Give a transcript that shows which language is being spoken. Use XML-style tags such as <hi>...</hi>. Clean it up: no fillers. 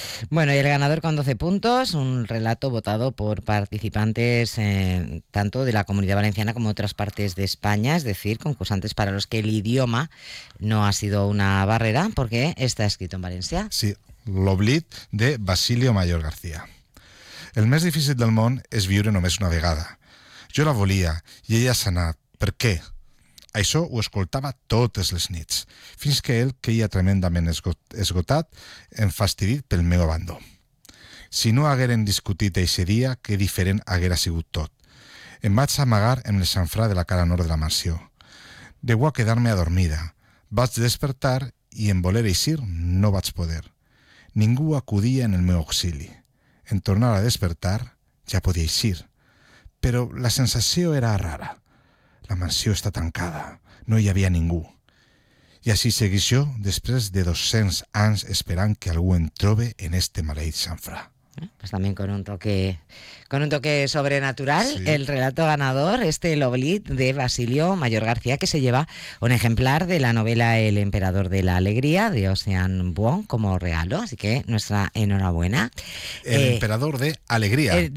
<es>Bueno, y el ganador con 12 puntos, un relato votado por participantes tanto de la Comunidad Valenciana como de otras partes de España, es decir, concursantes para los que el idioma no ha sido una barrera, porque está escrito en Valencia. Sí, L'Oblit, de Basilio Mayor García.</es> <ca>El més difícil del món és viure només una vegada. Jo la volia i ella s'ha anat. Per què? Això ho escoltava totes les nits, fins que ell queia tremendament esgotat, enfastidit pel meu abandó. Si no hagueren discutit aquest dia, que diferent haguera sigut tot. Em vaig amagar en el xanfrà de la cara nord de la mansió. Deu a quedar-me adormida. Vaig despertar i en voler eixir no vaig poder. Ningú acudia en el meu auxili. En tornar a despertar ja podia eixir. Però la sensació era rara. La mansió està tancada, no hi havia ningú. I així segueix jo, després de 200 anys esperant que algú en trobe en este maleït xanfrà.</ca> <es>Pues también con un toque sobrenatural, sí. El relato ganador, este L'Oblit, de Basilio Mayor García, que se lleva un ejemplar de la novela El emperador de la alegría, de Osan Wong, como regalo, así que nuestra enhorabuena. El emperador de alegría,</es>